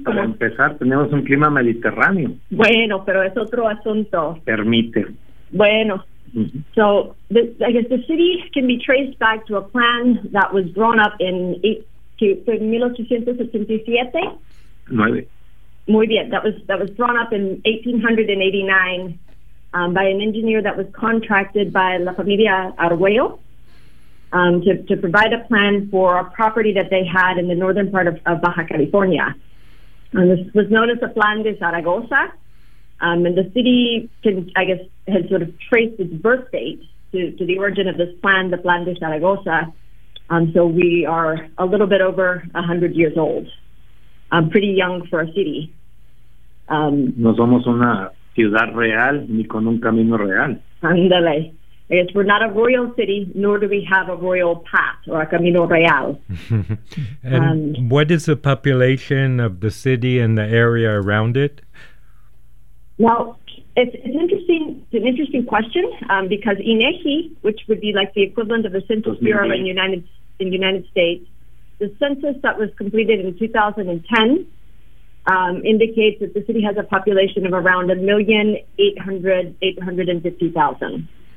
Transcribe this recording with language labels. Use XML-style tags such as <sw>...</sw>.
<es>Para empezar, tenemos un clima mediterráneo. Bueno, pero es otro asunto. Permite. Bueno.</es> <en>So, I guess the city can be traced back to a plan that was drawn up in 1877. Nine.</en> <es>Muy bien.</es> <en>That was drawn up in 1889 by an engineer that was contracted by La Familia Arguello to provide a plan for a property that they had in the northern part of Baja California. And this was known as the Plan de Zaragoza. And the city, has sort of traced its birth date to the origin of this plan, the Plan de Zaragoza. So we are a little bit over 100 years old, pretty young for a city.</en> <es>No somos una ciudad real ni con un camino real. Ándale.</es> <en>I guess we're not a royal city, nor do we have a royal path or a camino real. And what is the population of the city and the area around it? Well, it's an interesting question because INEGI, which would be like the equivalent of the Census Bureau in the United States, the census that was completed in 2010 indicates that the city has a population of around 1,850,000.</en>